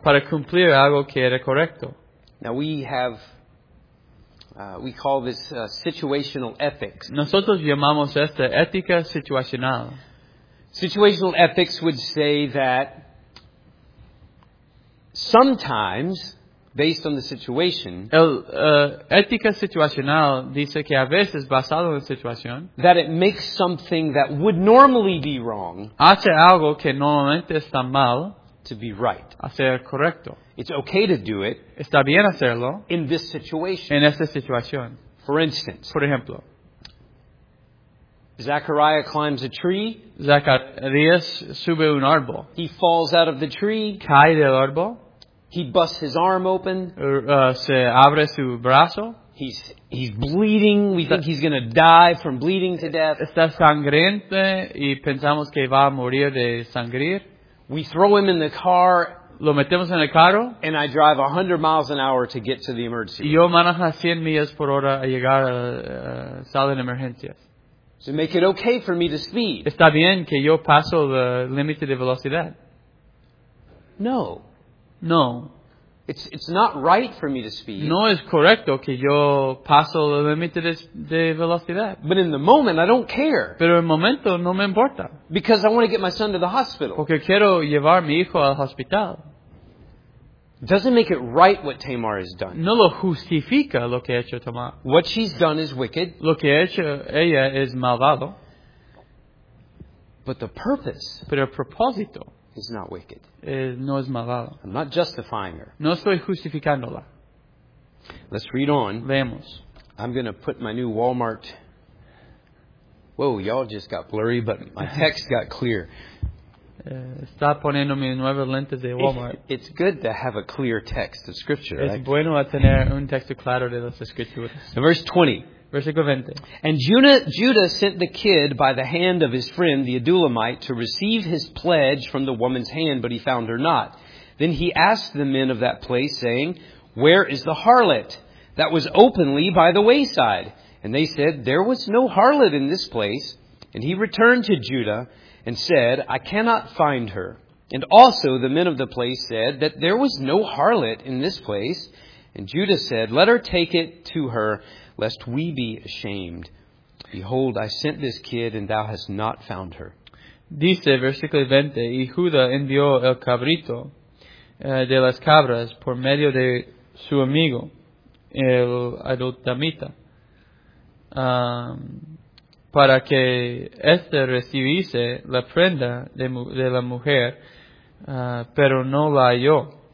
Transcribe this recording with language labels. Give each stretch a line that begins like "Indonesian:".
Spanish: Para cumplir algo que era correcto.
English: Now we have, we call this situational ethics.
Spanish: Nosotros llamamos esta ética situacional.
English: Situational ethics would say that sometimes, based on the situation,
Spanish: ética situacional dice que a veces basado en la situación,
English: that it makes something that would normally be wrong,
Spanish: hace algo que normalmente está mal,
English: to be right,
Spanish: hacer correcto.
English: It's okay to do it,
Spanish: está bien hacerlo,
English: in this situation,
Spanish: en esta situación.
English: For instance,
Spanish: por ejemplo,
English: Zechariah climbs a tree.
Spanish: Zacharias sube un árbol.
English: He falls out of the tree.
Spanish: Cae del árbol.
English: He busts his arm open.
Spanish: Se abre su brazo.
English: He's bleeding. We think he's going to die from bleeding to death.
Spanish: Está sangriente y pensamos que va a morir de sangrir.
English: We throw him in the car.
Spanish: Lo metemos en el carro.
English: And I drive 100 miles an hour to get to the emergency room.
Spanish: Yo manejo 100 millas por hora a llegar a sala de emergencias.
English: So make it okay for me to speed.
Spanish: Está bien que yo paso el límite de velocidad.
English: No.
Spanish: No.
English: It's not right for me to speed.
Spanish: No es correcto que yo paso el límite de velocidad.
English: But in the moment, I don't care.
Spanish: Pero en el momento no me importa.
English: Because I want to get my son to the hospital.
Spanish: Porque quiero llevar a mi hijo al hospital.
English: Doesn't make it right what Tamar has done.
Spanish: No lo justifica lo que ha hecho Tamar.
English: What she's done is wicked.
Spanish: Lo que ha hecho ella es malvado.
English: But the purpose.
Spanish: Pero el propósito.
English: Is not wicked.
Spanish: No es malvado.
English: I'm not justifying her.
Spanish: No estoy justificándola.
English: Let's read on.
Spanish: Vemos.
English: I'm going to put my new Walmart. Whoa, y'all just got blurry, but my text got clear.
Spanish: Está poniendo mis nuevas lentes de Walmart.
English: It's good to have a clear text of Scripture, right?
Spanish: Es bueno a tener un texto claro de las Escrituras.
English: Verse 20.
Spanish: Versículo 20.
English: And Judah sent the kid by the hand of his friend, the Adullamite, to receive his pledge from the woman's hand, but he found her not. Then he asked the men of that place, saying, "Where is the harlot that was openly by the wayside?" And they said, "There was no harlot in this place." And he returned to Judah and said, "I cannot find her." And also the men of the place said that there was no harlot in this place. And Judah said, "Let her take it to her, lest we be ashamed. Behold, I sent this kid, and thou hast not found her."
Spanish: Dice, versículo 20, y Judah envió el cabrito de las cabras por medio de su amigo, el adultamita, para que éste recibiese la prenda de la mujer, pero no la halló.